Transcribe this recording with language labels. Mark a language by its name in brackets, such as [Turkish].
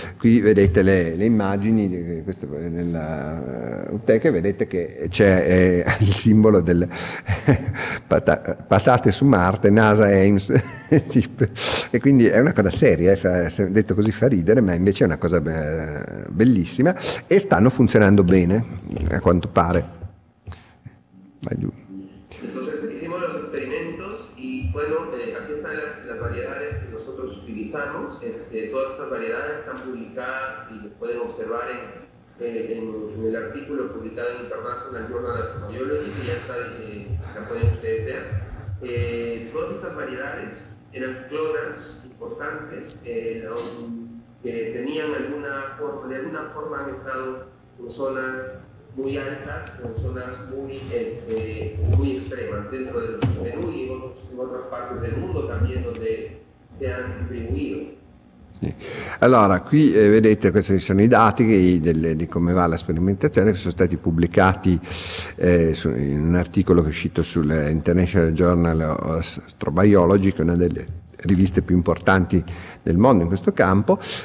[Italian] Qui vedete le immagini, questo nella UTEC, vedete che c'è il simbolo del patate su Marte, NASA Ames. E quindi è una cosa seria, detto così fa ridere, ma invece è una cosa bellissima, e stanno funzionando bene, a quanto pare. Vai giù. [Spanish] Entonces hicimos los experimentos y bueno, aquí están las variedades que nosotros utilizamos. Todas estas variedades están publicadas y las pueden observar en el artículo publicado en International Journal of Biology, que ya está, la pueden ustedes ver. Todas estas variedades eran clonas importantes, que tenían de alguna forma han estado en zonas muy altas, en zonas muy, muy extremas dentro de Perú y en otras partes del mundo también donde se han distribuido. [Italian] Allora, qui vedete, questi sono i dati di come va la sperimentazione, che sono stati pubblicati in un articolo che è uscito sul International Journal of Astrobiology, che è una delle riviste più importanti del mondo in questo campo.